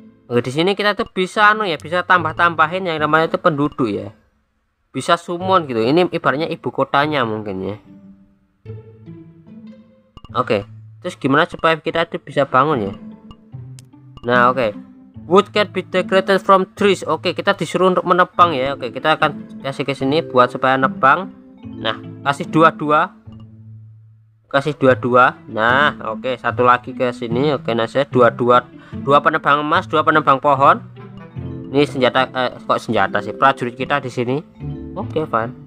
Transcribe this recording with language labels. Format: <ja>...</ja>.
<id>Oh, di sini kita tuh bisa bisa tambah-tambahin yang namanya itu penduduk ya. Bisa summon gitu. Ini ibaratnya ibu kotanya mungkin ya. Oke. Okay. Terus gimana supaya kita itu bisa bangun ya? Nah, oke. Okay.</id> <en>Wood can be decorated from trees.</en> <id>Oke, okay, kita disuruh untuk menebang ya. Oke, okay, kita akan kasih ke sini buat supaya nebang. Nah, kasih dua-dua. Kasih dua-dua. Nah, oke, okay, satu lagi ke sini. Oke, okay, nice. Dua penebang emas, dua penebang pohon. Ini senjata prajurit kita di sini. Oke, okay, fine.</id>